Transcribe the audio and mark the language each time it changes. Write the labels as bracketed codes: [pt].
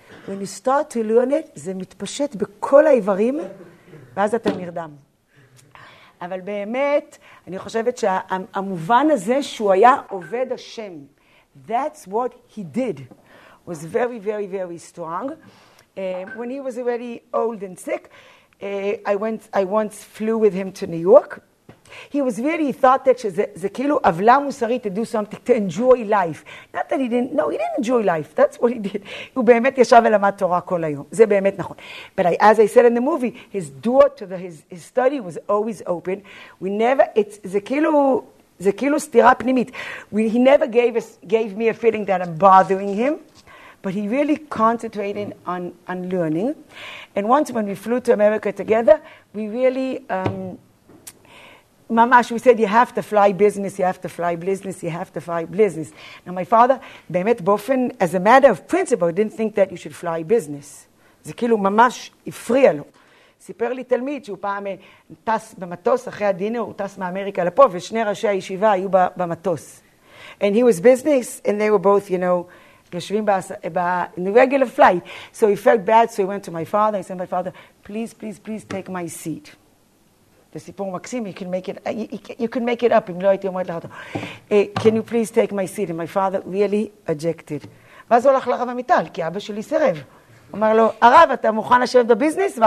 [en] When you start to learn it, [he] זה מתפשט בכל האיברים, ואז אתה נרדם. אבל באמת, אני חושבת שהמובן הזה שהוא היה עובד השם, [en] that's what he did, was very, very, very strong. When he was already old and sick, I once flew with him to New York. He was really, he thought that [he] זה כאילו עוולה מוסרית [en] to do something, to enjoy life. Not that he didn't, no, he didn't enjoy life. That's what he did. [he] הוא באמת ישב ולמד תורה כל היום. זה באמת נכון. [en] But I, as I said in the movie, his door to the, his study was always open. We never, it's, [he] זה כאילו, זה כאילו סתירה פנימית. [en] He never gave us, gave me a feeling that I'm bothering him. But he really concentrated on learning. And once when we flew to America together, we really, ממש, we said, you have to fly business, you have to fly business, you have to fly business. Now my father, [he] באמת באופן, [en] as a matter of principle, didn't think that you should fly business. [he] זה כאילו ממש הפריע לו. סיפר לי תלמיד שהוא פעם טס במטוס, אחרי הדינר, הוא טס מאמריקה לפה, ושני ראשי הישיבה היו במטוס. [en] And he was business, and they were both, you know, [he] יושבים [en] in the regular flight. So he felt bad, so he went to my father. He said, my father, please, please, please take my seat. [he] The סיפור מקסים, [en] you can make it up. [he] אם לא הייתי אומרת לך אותו. [en] Can you please take my seat? And my father really ejected. [he] ואז הוא הלך לרב עמיטל, כי אבא שלי סרב. אמר לו, הרב, אתה מוכן לשבת בביזנס?